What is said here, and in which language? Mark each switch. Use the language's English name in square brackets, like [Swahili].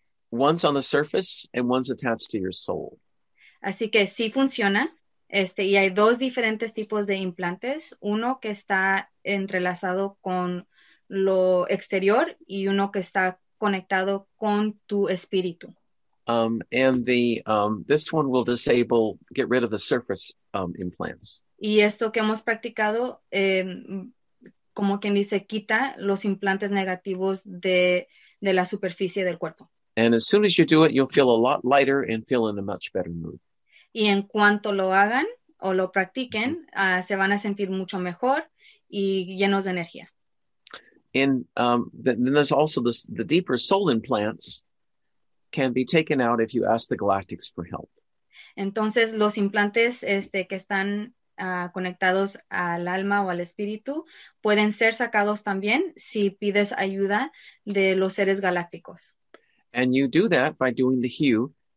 [English] One's on the surface and one's attached to your soul. [Spanish] Así que sí funciona. Y hay dos diferentes tipos de implantes. Uno que está entrelazado con lo exterior y uno que está conectado con tu espíritu. [English] And the this one will disable, get rid of the surface implants. [Spanish] Y esto que hemos practicado, como quien dice, quita los implantes negativos de la superficie del cuerpo. [English] And as soon as you do it, you'll feel a lot lighter and feel in a much better mood. [Spanish] Y en cuanto lo hagan o lo practiquen, se van a sentir mucho mejor y llenos de energía. [English] Then there's also this, the deeper soul implants can be taken out if you ask the Galactics for help. [Spanish] Entonces los implantes que están conectados al alma o al espíritu pueden ser sacados también si pides ayuda de los seres galácticos. [English] And you do that by doing the hue.